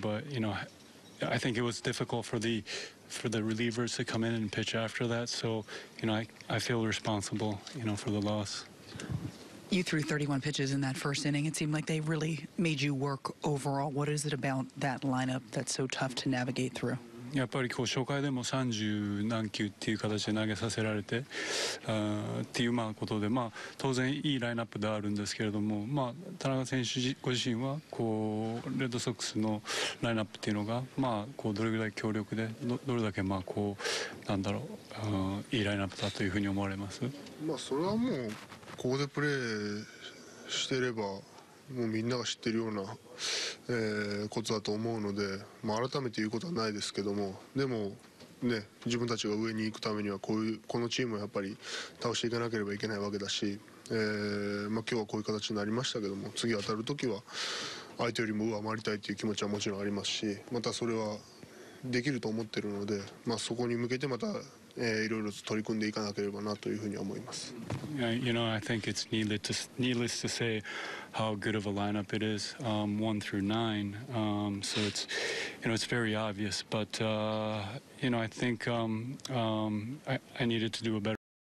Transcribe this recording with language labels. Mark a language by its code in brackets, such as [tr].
[en] But, you know, I think it was difficult for the relievers to come in and pitch after that. So, you know, I feel responsible, you know, for the loss. You threw 31 pitches in that first inning. It seemed like they really made you work overall. What is it about that lineup that's so tough to navigate through? [ja] やっぱりこう初回でも30何球っていう形で投げさせられてっていうまあことで、まあ、当然いいラインナップであるんですけれども、まあ、田中選手ご自身はこうレッドソックスのラインナップっていうのが、まあ、こうどれぐらい強力で どれだけまあこうなんだろういいラインナップだというふうに思われます。まあ、それはもうここでプレーしてればもうみんなが知ってるようなことだと思うので、まあ、改めて言うことはないですけどもでも、ね、自分たちが上に行くためにはこういうこのチームをやっぱり倒していかなければいけないわけだし、まあ、今日はこういう形になりましたけども次当たるときは相手よりも上回りたいという気持ちはもちろんありますしまたそれはできると思っているので、まあ、そこに向けてまたいろいろと取り組んでいかなければなというふうに思います。 [en] You know, I think it's needless to say how good of a lineup it is, 1 through 9. So it's, you know, it's very obvious. But you know, I think I needed to do a better.